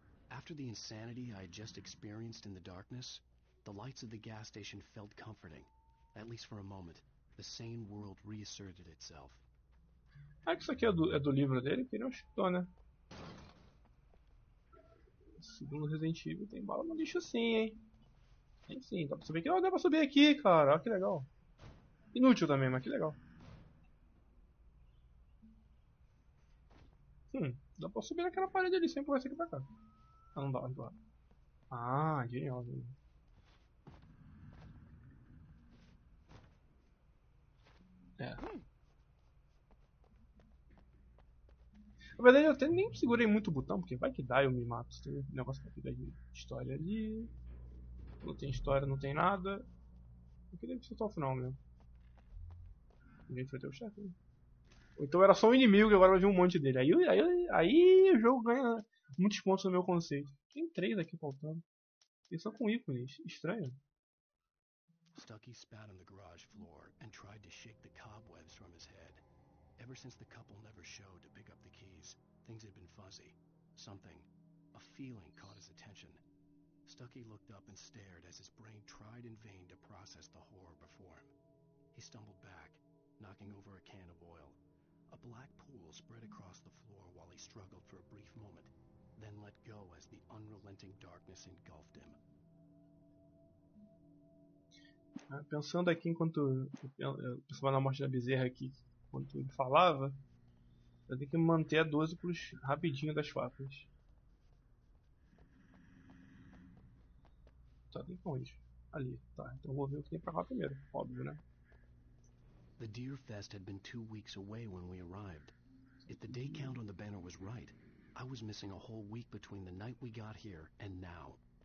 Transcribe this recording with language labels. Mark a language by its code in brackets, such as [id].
[en] After the insanity I had just experienced in the darkness, the lights of the gas station felt comforting. At least for a moment, the sane world reasserted itself. [pt] Ah, que isso aqui é do livro dele, que ele não chutou, né? Segundo Resident Evil, tem bala no lixo sim, hein? Tem sim, dá pra subir aqui? Ó, dá pra subir aqui, cara, olha que legal. Inútil também, mas que legal. Dá pra subir naquela parede ali, sempre vai ser aqui pra cá. Ah, não dá, vai embora. Ah, genial. Gente. É. Na verdade, eu até nem segurei muito o botão, porque vai que dá e eu me mato. Tem um negócio pra pegar de história ali. Não tem história, não tem nada. Eu queria que soltar o final mesmo. A gente vai ter o chefe. Ou então era só um inimigo e agora vai vir um monte dele. Aí o jogo ganha muitos pontos no meu conceito. Tem três aqui faltando. E só com ícones. Estranho. [en] Stucky spat on the garage floor and tried to shake the cobwebs from his head. Ever since the couple never showed to pick up the keys, things had been fuzzy. Something, a feeling caught his attention. Stucky looked up and stared as his brain tried in vain to process the horror before him. He stumbled back, knocking over a can of oil. A black pool spread across the floor while he struggled for a brief moment, then let go as the unrelenting darkness engulfed him. [pt] Pensando aqui enquanto eu pensava na morte da bezerra aqui, enquanto ele falava, eu tenho que manter a 12 pros rapidinho das facas. Tá, tem que ir ali, tá. Então eu vou ver o que tem pra lá primeiro, óbvio, né? [en] The Deer Fest had been 2 weeks away when we arrived. If the day count on the banner was right, I was missing a whole week between the night we got here and now.